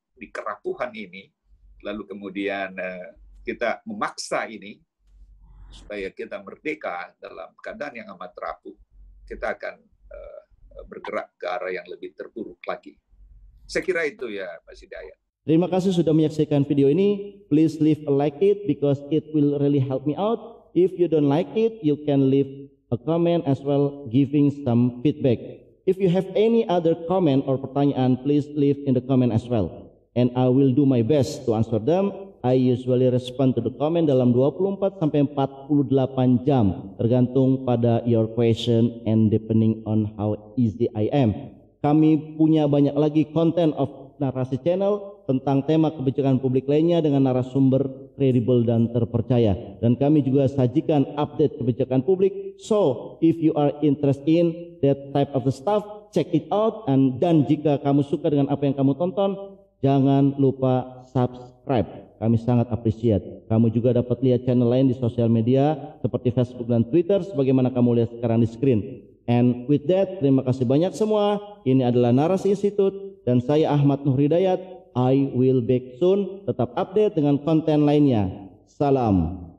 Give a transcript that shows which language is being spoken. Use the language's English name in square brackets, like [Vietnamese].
[Indonesian] di kerapuhan ini, lalu kemudian kita memaksa ini supaya kita merdeka dalam keadaan yang amat rapuh, kita akan bergerak ke arah yang lebih terburuk lagi. Saya kira itu ya, Pak Sidayat. Terima kasih sudah menyaksikan video ini. [English] Please leave a like it because it will really help me out. If you don't like it, you can leave a comment as well, giving some feedback. If you have any other comment or [Indonesian] pertanyaan, [English] please leave in the comment as well. And I will do my best to answer them. I usually respond to the comment [Indonesian] dalam 24-48 jam, tergantung pada [English] your question and depending on how easy I am. [Indonesian] Kami punya banyak lagi [English] content of Narasi Channel [Indonesian] tentang tema kebijakan publik lainnya dengan narasumber kredibel dan terpercaya. Dan kami juga sajikan update kebijakan publik. [English] So, if you are interested in that type of the stuff, check it out. [Indonesian] Dan jika kamu suka dengan apa yang kamu tonton, jangan lupa subscribe. Kami sangat appreciate. Kamu juga dapat lihat channel lain di sosial media seperti Facebook dan Twitter sebagaimana kamu lihat sekarang di screen. [English] And with that, [Indonesian] terima kasih banyak semua. Ini adalah Narasi Institute dan saya Ahmad Nur Hidayat. [English] I will back soon. [Indonesian] Tetap update dengan konten lainnya. Salam.